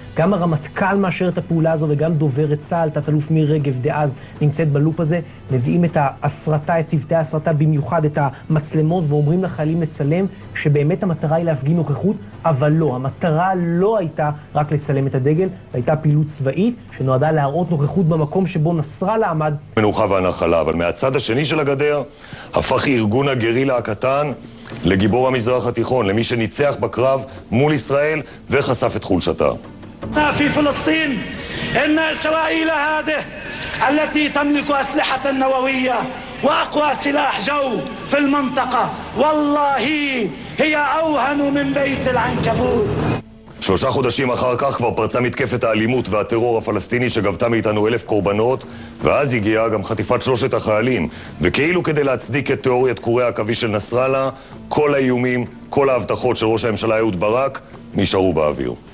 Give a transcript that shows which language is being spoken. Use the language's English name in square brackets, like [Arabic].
[Hebrew] גם הרמטכ"ל מאשר את הפעולה הזו, וגם דוברת צה"ל, תת-אלוף מיר רגב דאז, נמצאת בלופ הזה, מביאים את ההסרטה, את צוותי ההסרטה, במיוחד את המצלמות, ואומרים לחיילים לצלם, שבאמת המטרה היא להפגין נוכחות, אבל לא, המטרה לא הייתה רק לצלם את הדגל, הייתה פעילות צבאית שנועדה להראות נוכחות במקום שבו נסראללה עמד. מנוחה והנחלה, אבל מהצד השני של הגדר הפך ארגון הגרילה הקטן לגיבור המזרח התיכון, למי שניצח בקרב מול ישראל וחשף את חולשתה. [Arabic] في فلسطين ان اسرائيل هذه التي تملك اسلحه نوويه واقوى سلاح جو في المنطقه والله هي اوهن من بيت العنكبوت. [Hebrew] שלושה חודשים אחר כך כבר פרצה מתקפת האלימות והטרור הפלסטיני שגבתה מאיתנו 1,000 קורבנות, ואז הגיעה גם חטיפת שלושת החיילים. וכאילו כדי להצדיק את תיאוריית קורי עכביש של נסראללה, כל האיומים, כל ההבטחות של ראש הממשלה אהוד ברק נשארו באוויר.